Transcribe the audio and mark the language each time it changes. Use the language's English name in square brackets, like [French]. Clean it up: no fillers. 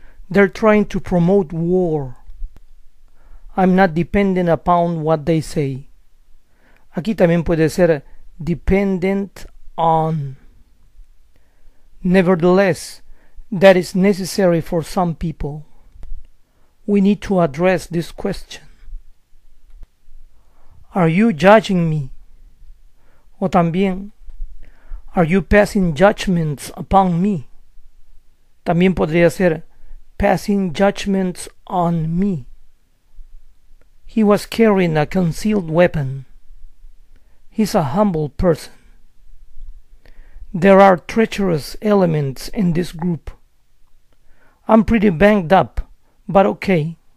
[English] They're trying to promote war. I'm not dependent upon what they say. [Spanish] Aquí también puede ser [English] dependent on. Nevertheless, that is necessary for some people. We need to address this question. Are you judging me? [Spanish] O también, [English] are you passing judgments upon me? [Spanish] También podría ser [English] passing judgments on me. He was carrying a concealed weapon. He's a humble person. There are treacherous elements in this group. I'm pretty banged up, but okay.